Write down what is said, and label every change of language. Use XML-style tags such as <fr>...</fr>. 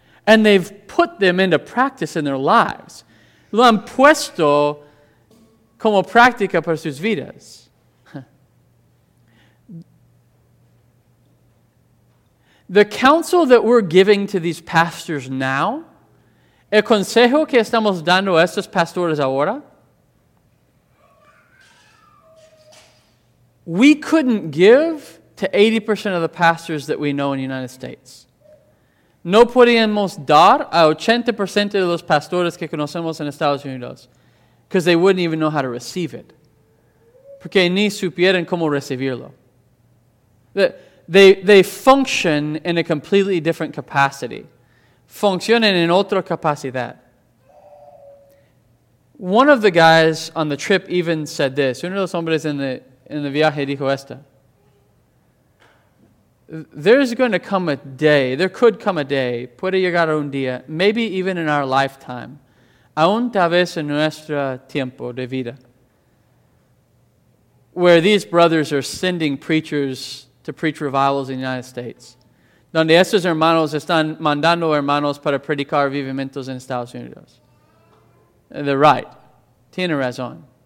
<en>And they've put them into practice in their lives.</en> <es>Lo han puesto como práctica para sus vidas.</es> <en>The counsel that we're giving to these pastors now,</en> <es>el consejo que estamos dando a estos pastores ahora,</es> <en>we couldn't give to 80% of the pastors that we know in the United States.</en> <es>No podíamos dar a 80% de los pastores que conocemos en Estados Unidos.</es> <en>Because they wouldn't even know how to receive it.</en> <es>Porque ni supieran cómo recibirlo.</es> <en>They function in a completely different capacity.</en> <es>Funcionan en otra capacidad.</es> <en>One of the guys on the trip even said this.</en> <es>Uno de los hombres en el viaje dijo esto.</es> <en>There's going to come a day, there could come a day,</en> <es>puede llegar un día,</es> <en>maybe even in our lifetime,</en> <es>aún tal vez en nuestro tiempo de vida,</es> <en>where these brothers are sending preachers to preach revivals in the United States,</en> <es>donde estos hermanos están mandando hermanos para predicar avivamientos en Estados Unidos.</es> <en>They're right.</en> <es>Tiene razón.</es>